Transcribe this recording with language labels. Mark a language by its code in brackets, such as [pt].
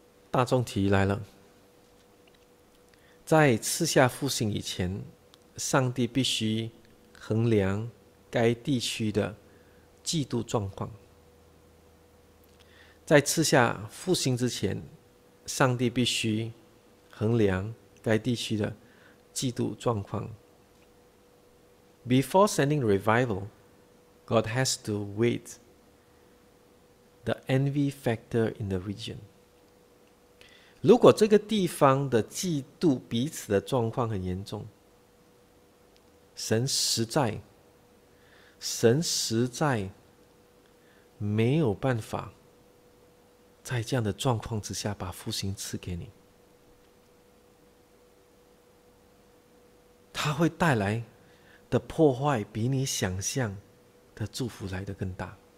[zh] 大众题来了，在赐下复兴以前，上帝必须衡量该地区的嫉妒状况。在赐下复兴之前，上帝必须衡量该地区的嫉妒状况。 [en] Before sending revival, God has to weigh the envy factor in the region. [zh] 如果这个地方的嫉妒彼此的状况很严重，神实在没有办法在这样的状况之下把复兴赐给你，它会带来的破坏比你想象的祝福来得更大。